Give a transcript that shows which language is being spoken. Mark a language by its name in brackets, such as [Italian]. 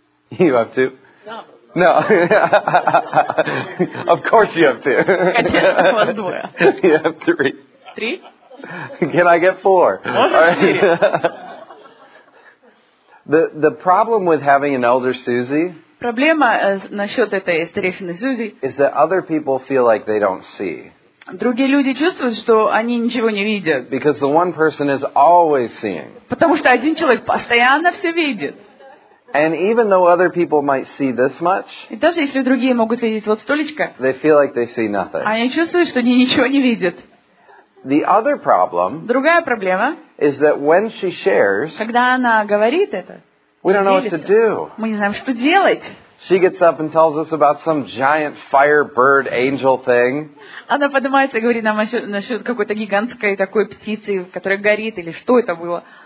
[English] You have to. No. Of course you have two. [Russian] Конечно, у вас двое. [English] You have three. Three? Can I get four? [Russian] Можешь четыре. [English] The problem with having an elder Susie. [Russian] Проблема насчет этой старейшины Сузи. [English] Is that other people feel like they don't see. [Russian] Другие люди чувствуют, что они ничего не видят. [English] Because the one person is always seeing. [Russian] Потому что один человек постоянно все видит. [English] And even though other people might see this much, [Russian] и даже если другие могут видеть вот столечко, [English] they feel like they see nothing. [Russian] Они чувствуют, что они ничего не видят. [English] The other problem, [Russian] другая проблема, [English] is that when she shares, [Russian] когда она говорит это, [English] we don't know what to do. [Russian] Мы не знаем, что делать. [English] She gets up and tells us about some giant fire bird angel thing. [Russian] Она поднимается и говорит нам насчет какой-то гигантской такой птицы, которая горит, или что это было.